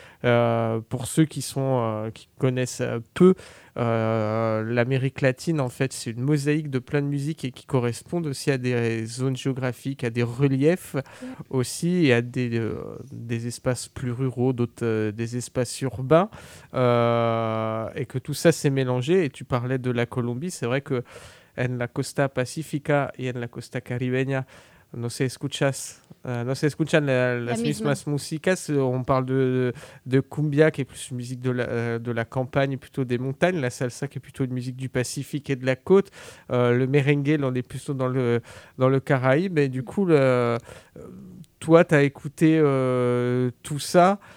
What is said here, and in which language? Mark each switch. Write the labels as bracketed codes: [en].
[fr] Pour ceux qui connaissent peu l'Amérique latine, en fait, c'est une mosaïque de plein de musiques et qui correspondent aussi à des zones géographiques, à des reliefs aussi, et à des espaces plus ruraux, d'autres des espaces urbains, et que tout ça s'est mélangé. Et tu parlais de la Colombie, c'est vrai que [es] en la costa pacífica y en la costa caribeña no se escuchan las mismas músicas. [fr] On parle de cumbia, qui est plus une musique de la campagne, plutôt des montagnes. La salsa, qui est plutôt une musique du Pacifique et de la côte. Le merengue, on est plutôt dans le Caraïbe. Mais du coup, toi, tu as écouté tout ça.